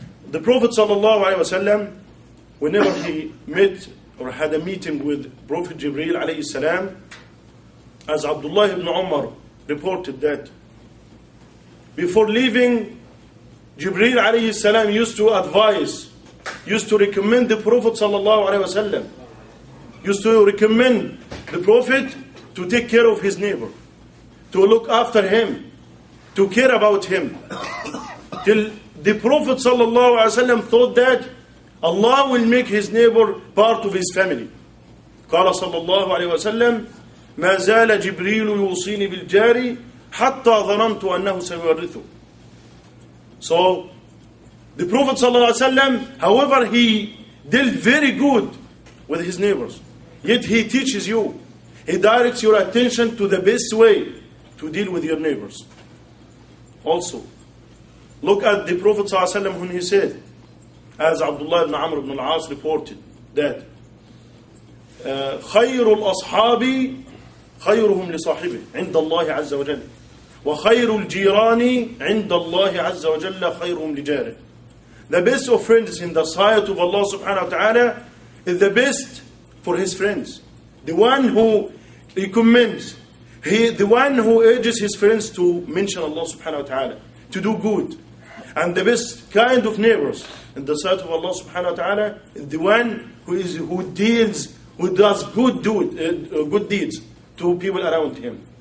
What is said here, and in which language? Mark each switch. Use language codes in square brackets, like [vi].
[en] The Prophet sallallahu alayhi wa sallam, whenever he met or had a meeting with Prophet Jibreel alayhi salam, as Abdullah ibn Umar reported that, before leaving, Jibreel alayhi salam used to advise, used to recommend the Prophet sallallahu alayhi wa sallam, used to recommend the Prophet to take care of his neighbor. to look after him, to care about him. Till the Prophet sallallahu alaihi wasallam thought that Allah will make his neighbor part of his family. [ar] قال صلى الله عليه وسلم ما زال جبريل يوصيني بالجاري حتى ظننت أنه سيورثه. [en] So the Prophet صلى الله عليه وسلم, however, he dealt very good with his neighbors. Yet he teaches you, he directs your attention to the best way to deal with your neighbors. Also, look at the Prophet صلى الله عليه وسلم when he said, as Abdullah ibn Amr ibn al-As reported, that [ar] خير الأصحاب خيرهم لصاحبه عند الله عز وجل وخير الجيران عند الله عز وجل خيرهم لجاره. [en] The best of friends in the sight of Allah subhanahu wa ta'ala is the best for his friends. The one who recommends, the one who urges his friends to mention Allah subhanahu wa ta'ala, to do good. And the best kind of neighbors in the sight of Allah subhanahu wa ta'ala is the one who does good deeds to people around him.